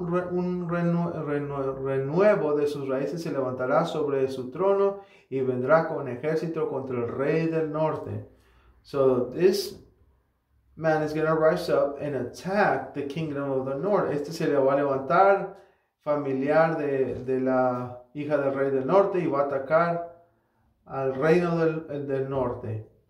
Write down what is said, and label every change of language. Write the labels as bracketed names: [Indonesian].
[Spanish] Pero un renuevo de sus raíces se levantará sobre su trono y vendrá con ejército contra el rey del norte. [English] So this man is going to rise up and attack the kingdom of the north. [Spanish] Este se le va a levantar familiar de la hija del rey del norte y va a atacar al reino del norte.